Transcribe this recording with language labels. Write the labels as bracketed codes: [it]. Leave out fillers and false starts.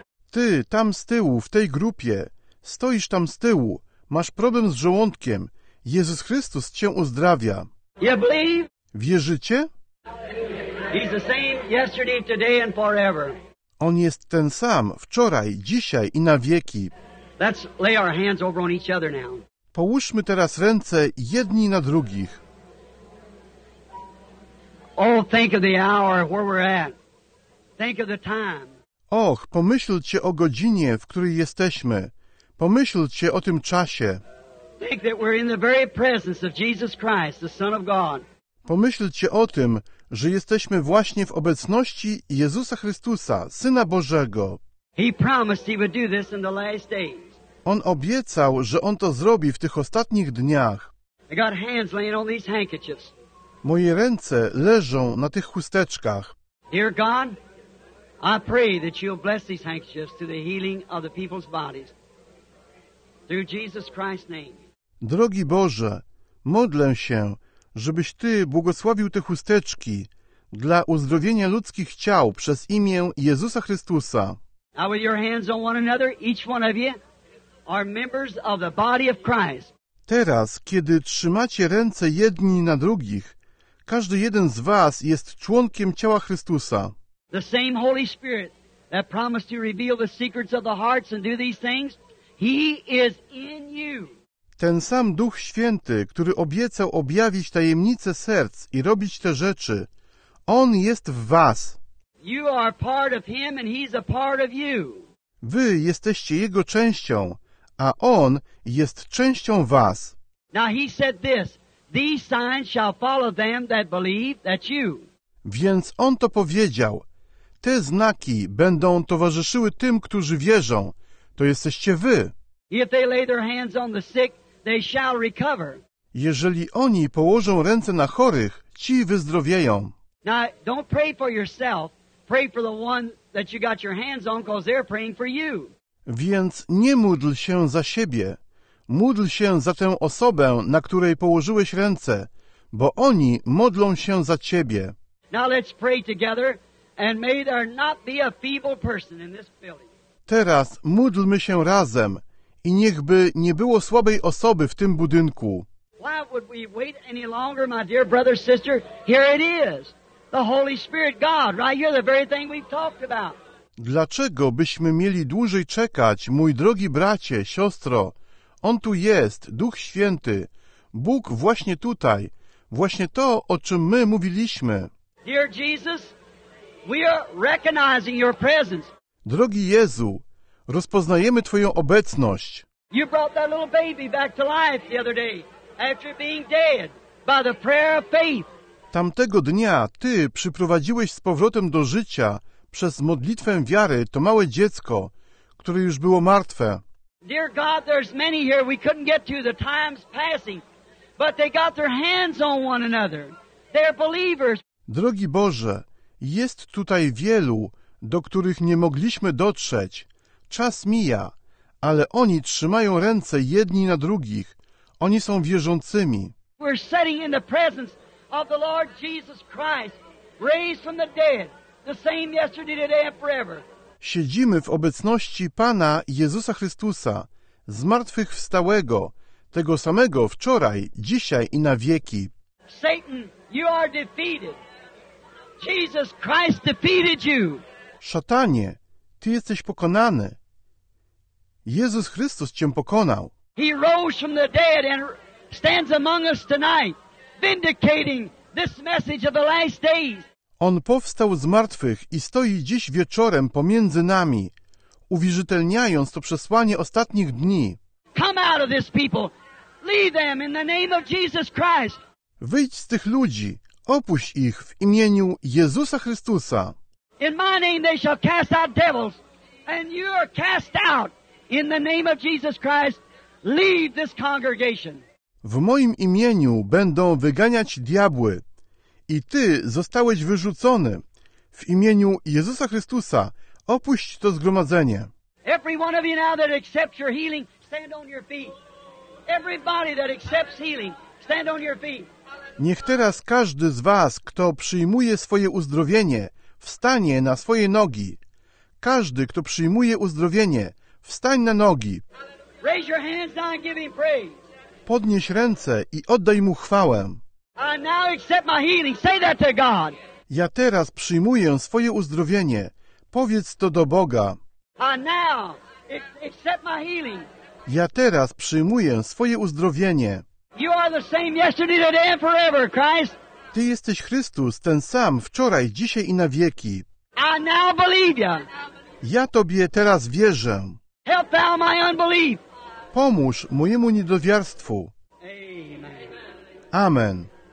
[pl] Ty, tam z tyłu, w tej grupie, stoisz tam z tyłu, masz problem z żołądkiem. Jezus Chrystus cię uzdrawia. [en] You believe? [pl] Wierzycie? [en] He's the same yesterday, today and forever. [pl] On jest ten sam, wczoraj, dzisiaj i na wieki. [en] Let's lay our hands over on each other now. [pl] Połóżmy teraz ręce jedni na drugich. [en] Oh, think of the hour where we're at. Think of the time. [pl] Och, pomyślcie o godzinie, w której jesteśmy. Pomyślcie o tym czasie. [en] Think that we're in the very presence of Jesus Christ, the Son of God. [pl] Pomyślcie o tym, że jesteśmy właśnie w obecności Jezusa Chrystusa, Syna Bożego. [en] He promised he would do this in the last days. [pl] On obiecał, że on to zrobi w tych ostatnich dniach. [en] I got hands laying on these handkerchiefs. [pl] Moje ręce leżą na tych chusteczkach. [en] Dear God, I pray that you'll bless these handkerchiefs to the healing of the people's bodies. Through Jesus Christ's name. [pl] Drogi Boże, modlę się, żebyś Ty błogosławił te chusteczki dla uzdrowienia ludzkich ciał przez imię Jezusa Chrystusa. [en] Now with your hands on one another, each one of you are members of the body of Christ. [pl] Teraz, kiedy trzymacie ręce jedni na drugich, każdy jeden z was jest członkiem ciała Chrystusa. [en] The same Holy Spirit that promised to reveal the secrets of the hearts and do these things, He is in you. [pl] Ten sam Duch Święty, który obiecał objawić tajemnice serc i robić te rzeczy, On jest w was. [en] You are part of Him and He's a part of you. [pl] Wy jesteście Jego częścią, a On jest częścią was. [en] Now He said this, these signs shall follow them that believe that you. [pl] Więc On to powiedział, te znaki będą towarzyszyły tym, którzy wierzą, to jesteście wy. [en] If they lay their hands on the sick, they shall recover. [pl] Jeżeli oni położą ręce na chorych, ci wyzdrowieją. [en] Now, don't pray for yourself. Pray for the one that you got your hands on, because they're praying for you. [pl] Więc nie módl się za siebie. Módl się za tę osobę, na której położyłeś ręce, bo oni modlą się za ciebie. [en] Now let's pray together, and may there not be a feeble person in this building. [pl] Teraz módlmy się razem. I niechby nie było słabej osoby w tym budynku. [en] Why would we wait any longer, my dear brother, sister? Here it is. The Holy Spirit, God, right here, the very thing we've talked about. [pl] Dlaczego byśmy mieli dłużej czekać, mój drogi bracie, siostro? On tu jest, Duch Święty. Bóg właśnie tutaj. Właśnie to, o czym my mówiliśmy. [en] Dear Jesus, we are recognizing your presence. [pl] Drogi Jezu, rozpoznajemy Twoją obecność. [en] You brought that little baby back to life the other day, after being dead, by the prayer of faith. [pl] Tamtego dnia Ty przyprowadziłeś z powrotem do życia przez modlitwę wiary to małe dziecko, które już było martwe. [en] Dear God, there's many here we couldn't get to, the time's passing, but they got their hands on one another. They're believers. [pl] Drogi Boże, jest tutaj wielu, do których nie mogliśmy dotrzeć. Czas mija, ale oni trzymają ręce jedni na drugich. Oni są wierzącymi. [en] We're sitting in the presence of the Lord Jesus Christ, raised from the dead, the same yesterday, today and forever. [pl] Siedzimy w obecności Pana Jezusa Chrystusa, zmartwychwstałego, tego samego wczoraj, dzisiaj i na wieki. [en] Satan, you are defeated. Jesus Christ defeated you. [pl] Szatanie, ty jesteś pokonany. Jezus Chrystus cię pokonał. [en] He rose from the dead and stands among us tonight, vindicating this message of the last days. [pl] On powstał z martwych i stoi dziś wieczorem pomiędzy nami, uwierzytelniając to przesłanie ostatnich dni. [en] Come out of this people. Leave them in the name of Jesus Christ. [pl] Wyjdź z tych ludzi. Opuść ich w imieniu Jezusa Chrystusa. [en] In my name they shall cast out devils, and you are cast out in the name of Jesus Christ. Leave this congregation. [pl] W moim imieniu będą wyganiać diabły. I ty zostałeś wyrzucony. W imieniu Jezusa Chrystusa opuść to zgromadzenie. [en] Every one of you now that accepts your healing, stand on your feet. Everybody that accepts healing, stand on your feet. [pl] Niech teraz każdy z was, kto przyjmuje swoje uzdrowienie, wstanie na swoje nogi. Każdy, kto przyjmuje uzdrowienie, wstań na nogi. [en] Raise your hands now and give him praise. [pl] Podnieś ręce i oddaj mu chwałę. [en] I now accept my healing. Say that to God. [pl] Ja teraz przyjmuję swoje uzdrowienie. Powiedz to do Boga. [en] I now accept my healing. [pl] Ja teraz przyjmuję swoje uzdrowienie. [en] You are the same yesterday, today and forever, Christ. [pl] Ty jesteś Chrystus, ten sam, wczoraj, dzisiaj i na wieki. [en] I now believe you. [pl] Ja Tobie teraz wierzę. [en] Help thou my unbelief. [pl] Pomóż mojemu niedowiarstwu. [en] Amen.